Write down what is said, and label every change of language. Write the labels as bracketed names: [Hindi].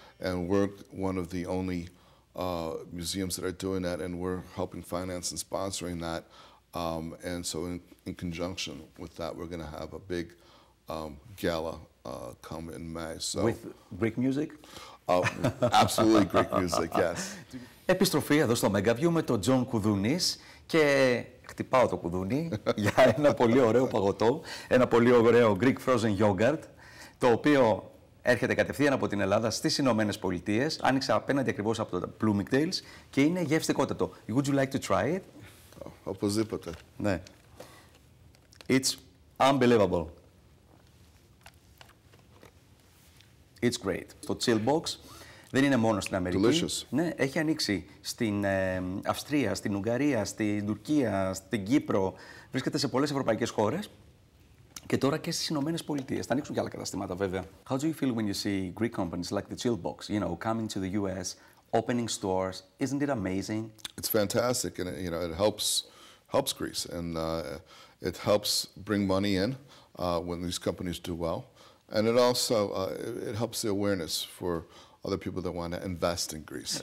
[English] And we're one of the only museums that are doing that, and we're helping finance and sponsoring that. And so in conjunction with that, we're going to have a big gala come in May. So with Greek music? Absolutely Greek music, yes. [Greek] Επιστροφή εδώ στο MegaView με τον Τζον Κουδούνης και χτυπάω το κουδούνι για ένα πολύ ωραίο παγωτό, ένα πολύ ωραίο Greek frozen yogurt, το οποίο έρχεται κατευθείαν από την Ελλάδα στις Ηνωμένες Πολιτείες, άνοιξε απέναντι ακριβώς από το Bloomingdale's και είναι γευστικότατο. [English] Would you like to try it? [Greek] Οπωσδήποτε. Ναι. [English] It's unbelievable. It's great. [Greek] Στο chill box. Δεν είναι μόνο στην Αμερική. [English] Delicious. [Greek] Ναι, έχει ανοίξει στην Αυστρία, στην Ουγγαρία, στην Τουρκία, στην Κύπρο. Βρίσκεται σε πολλές ευρωπαϊκές χώρες και τώρα και στις Ηνωμένες Πολιτείες. Θα ανοίξουν και άλλα καταστήματα, βέβαια. [English] How do you feel when you see Greek companies like the Chillbox, you know, coming to the US, opening stores? Isn't it amazing? It's fantastic, and you know, it helps Greece, and it helps bring money in when these companies do well, and it also it helps the awareness for other people that want to invest in Greece.